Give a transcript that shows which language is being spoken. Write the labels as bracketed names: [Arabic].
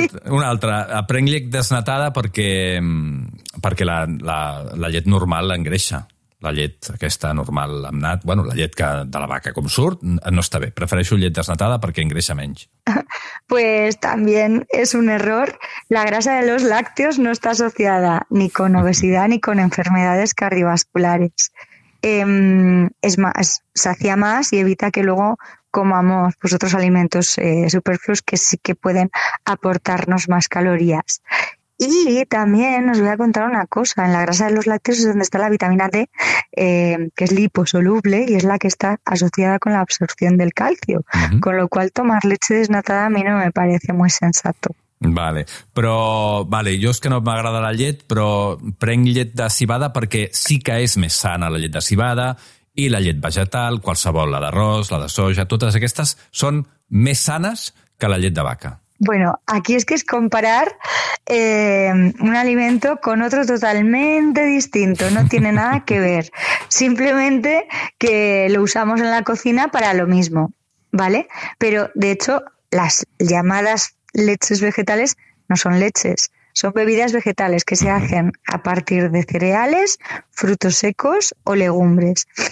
[Catalan] Una altra, prenc llet desnatada perquè la llet normal l'engreixa. La llet aquesta normal amb nat, bueno, la llet que de la vaca com surt, no està bé. Prefereixo llet desnatada perquè engreixa menys. [Spanish] Pues también es un error. La grasa de los lácteos no está asociada ni con obesidad ni con enfermedades cardiovasculares. Es más, sacia más y evita que luego comamos pues otros alimentos superfluos que sí que pueden aportarnos más calorías. Y también os voy a contar una cosa, en la grasa de los lácteos es donde está la vitamina D, que es liposoluble y es la que está asociada con la absorción del calcio, uh-huh. Con lo cual tomar leche desnatada a mí no me parece muy sensato. [Catalan] Vale, però vale, jo és que no m'agrada la llet, però prenc llet de cibada perquè sí que és més sana la llet de cibada i la llet vegetal, qualsevol, la d'arròs, la de soja, totes aquestes són més sanes que la llet de vaca. [Spanish] Bueno, aquí es que es comparar un alimento con otro totalmente distinto, no tiene nada que ver, simplemente que lo usamos en la cocina para lo mismo, ¿vale? Pero, de hecho, las llamadas leches vegetales no son leches, son bebidas vegetales que se hacen a partir de cereales, frutos secos o legumbres.